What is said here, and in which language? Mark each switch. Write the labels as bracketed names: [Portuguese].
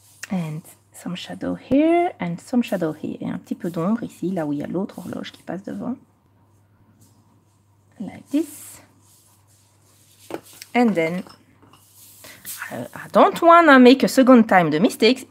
[English] And some shadow here, and some shadow here. [French] Et un petit peu d'ombre ici, là où il y a l'autre horloge qui passe devant. [English] Like this. And then, I don't want to make a second time the mistakes.